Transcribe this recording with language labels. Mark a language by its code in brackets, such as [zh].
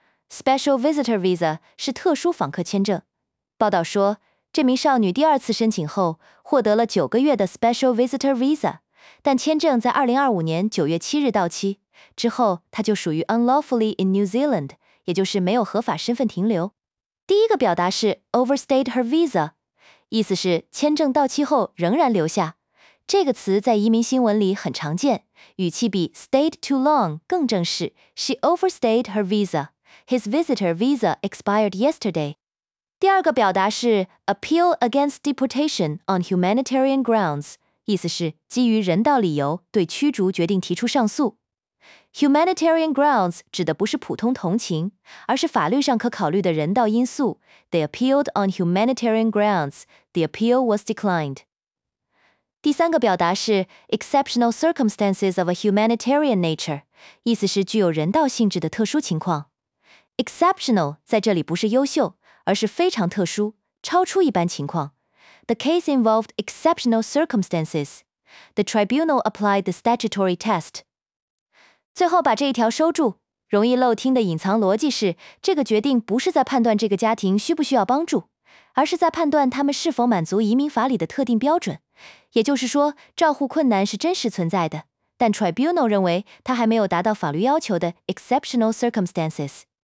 [zh] Special Visitor Visa 是特殊访客签证。报道说，这名少女第二次申请后获得了九个月的 Special Visitor Visa， 但签证在2025年9月7日到期，之后她就属于 Unlawfully in New Zealand， 也就是没有合法身份停留。第一个表达是 overstayed her visa， 意思是签证到期后仍然留下。这个词在移民新闻里很常见，语气比 stayed too long 更正式。 [en] She overstayed her visa. His visitor visa expired yesterday. [zh] 第二个表达是 [en] appeal against deportation on humanitarian grounds， [zh] 意思是基于人道理由对驱逐决定提出上诉。 Humanitarian grounds 指的不是普通同情，而是法律上可考虑的人道因素。 [en] They appealed on humanitarian grounds. The appeal was declined. [zh] 第三个表达是 [en] exceptional circumstances of a humanitarian nature， [zh] 意思是具有人道性质的特殊情况。 Exceptional 在这里不是优秀，而是非常特殊，超出一般情况。 [en] The case involved exceptional circumstances. The tribunal applied the statutory test. [zh] 最后把这一条收住，容易漏听的隐藏逻辑是，这个决定不是在判断这个家庭需不需要帮助，而是在判断他们是否满足移民法里的特定标准。也就是说，照护困难是真实存在的，但 tribunal 认为他还没有达到法律要求的 exceptional circumstances。